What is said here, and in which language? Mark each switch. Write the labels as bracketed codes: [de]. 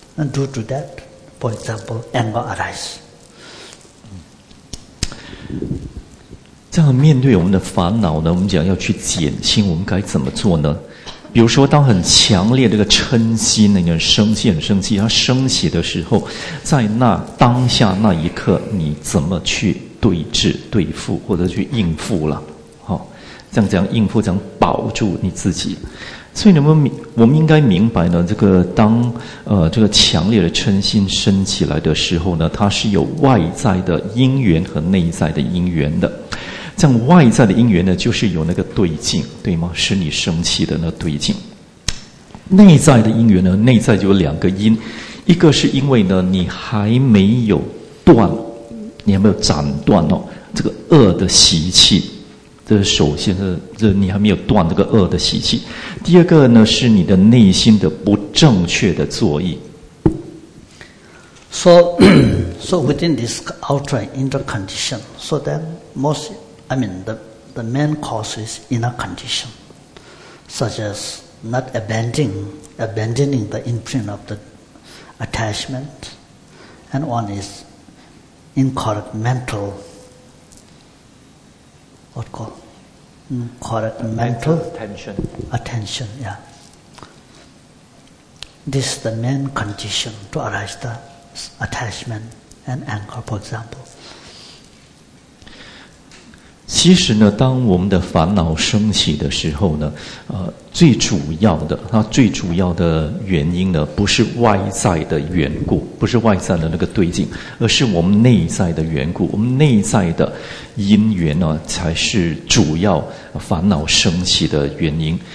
[en] And due to that, for example, anger arises. [zh] 这样面对我们的烦恼呢，我们讲要去减轻，我们该怎么做呢？比如说当很强烈这个嗔心，那个很生气它升起的时候，在那当下那一刻，你怎么去对峙对付或者去应付了、哦、这样应付，这样保住你自己。所以能不能我们应该明白呢，这个当这个强烈的嗔心升起来的时候呢，它是有外在的因缘和内在的因缘的。这样外在的因缘呢，就是有那个对境，对吗？使你生气的那对境。内在的因缘呢，内在就有两个因，一个是因为呢你还没有断，你还没有斩断哦这个恶的习气，这首先是这你还没有断这个恶的习气。第二个呢是你的内心的不正确的作意。 [en] So within this outer inner condition, so that most, the main cause is inner condition, such as not abandoning the imprint of the attachment, and one is incorrect mental. What call? Incorrect mental attention. Attention. Yeah. This is the main condition to arise the attachment and anger, for example. [zh] 其实呢，当我们的烦恼升起的时候呢，最主要的，它最主要的原因呢，不是外在的缘故，不是外在的那个对境，而是我们内在的缘故，我们内在的因缘呢，才是主要烦恼升起的原因。